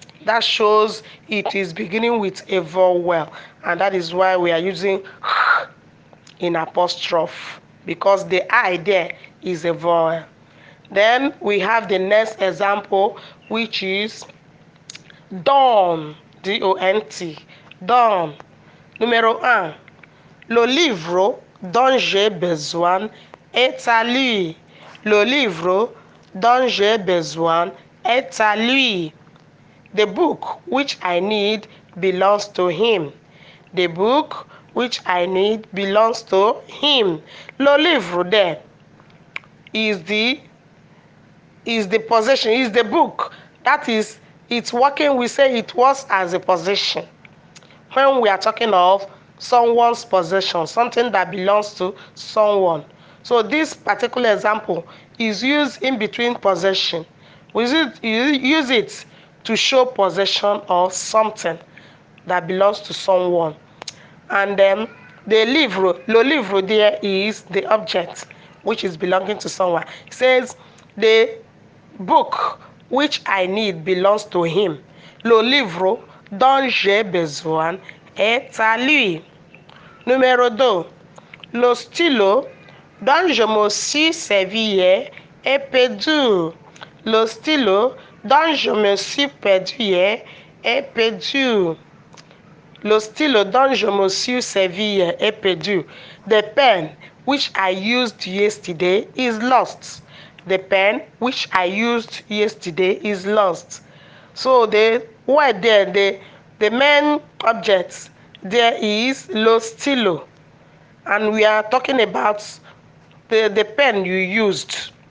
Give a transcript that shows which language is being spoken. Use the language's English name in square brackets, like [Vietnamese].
[English] That shows it is beginning with a vowel, and that is why we are using in apostrophe, because the I there is a vowel. Then we have the next example, which is donne, d-o-n-t, donne. [French] Numéro 1, le livre dont j'ai besoin est à lui. Le livre dont j'ai besoin est à lui. [English] The book which I need belongs to him. The book which I need belongs to him. [French] Le livre [English] there is the possession, is the book. That is, it's working, we say it was as a possession. When we are talking of someone's possession, something that belongs to someone. So this particular example is used in between possession. We use it to show possession of something that belongs to someone. And then the livre, [French] le livre [English] there is the object which is belonging to someone. It says, the book which I need belongs to him. [French] Le livre dont j'ai besoin est à lui. Numéro 2, le stylo dont je me suis servi hier est perdu. Le stylo dont je me suis perdu hier est perdu. Le stylo dont je me suis servi hier est perdu. [English] The pen which I used yesterday is lost. The pen which I used yesterday is lost. So the word there, the main object there is [French] le stylo. [English] And we are talking about the pen you used.